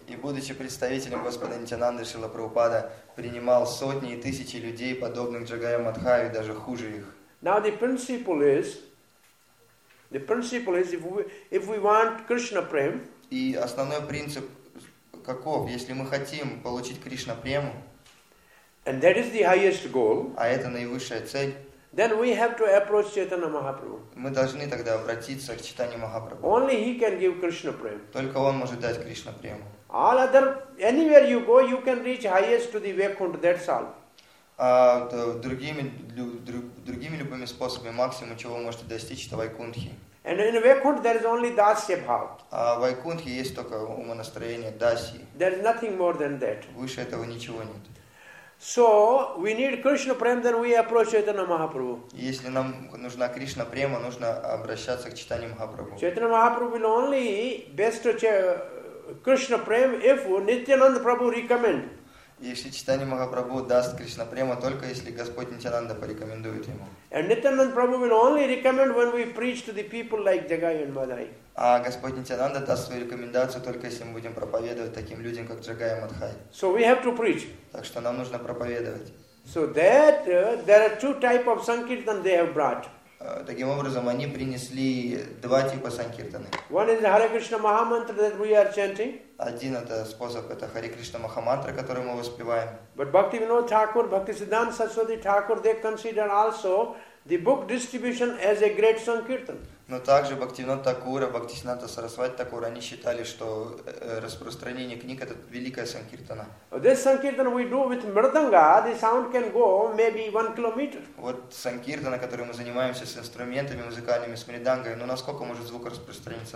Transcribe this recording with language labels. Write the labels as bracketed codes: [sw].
[ru] И будучи представителем Господа Нитянанды, Шрила Прабхупада принимал сотни и тысячи людей, подобных Джагай и Мадхай, даже хуже их. [en] Now the principle is if we want Krishna prem. [ru] И основной принцип каков? Если мы хотим получить Кришна прему. [en] And that is the highest goal. [ru] А это наивысшая цель. [en] Then we have to approach Chaitanya Mahaprabhu. [ru] Мы должны тогда обратиться к Чайтанье Махапрабху. [en] Only he can give Krishna prem. [ru] Только он может дать Кришна прему. [en] All other anywhere you go, you can reach highest to the Vaikunth. That's all. [ru] А то другими любыми способами максимум чего вы можете достичь это Вайкунтхи. [en] And in Vaikunth there is only Dasya Bhav. [ru] А в Вайкунтхе есть только умонастроение Даси. [en] There is nothing more than that. [ru] Выше этого ничего нет. [en] So we need Krishna Prem, then we approach Chaitanya Mahaprabhu. [ru] Если нам нужна Кришна Према, нужно обращаться к Чайтанье Махапрабху. [en] Chaitanya Mahaprabhu will only best Krishna Prem if Nityananda Prabhu recommend. [ru] Если Чайтанья Махапрабху даст Кришна Прему, только если Господь Нитянанда порекомендует ему. [en] And Nityananda Prabhu will only recommend when we preach to the people like Jagai and Madhai. [ru] А Господь Нитянанда даст свою рекомендацию только если мы будем проповедовать таким людям, как Джагай и Мадхай. [en] So we have to preach. [ru] Так что нам нужно проповедовать. [en] So that there are two type of sankirtan they have brought. [ru] Таким образом, они принесли два типа санкиртаны. [en] One is Hare Krishna Mahamantra that we are chanting. [ru] Один это способ, это Hare Krishna Mahamantra, который мы воспеваем. [en] But Bhakti Vinod Thakur, Bhakti Siddhanta Saraswati Thakur, they consider also the book distribution as a great sankirtan. [ru] Но также Бхактивинода Такура, Бхактисиддханта Сарасвати Такура, они считали, что распространение книг это великая санкиртана. [en] This sankirtan we do with mridanga, the sound can go maybe 1 kilometer. [ru] Вот санкиртана, которой мы занимаемся с инструментами музыкальными, с мридангой, ну насколько может звук распространиться?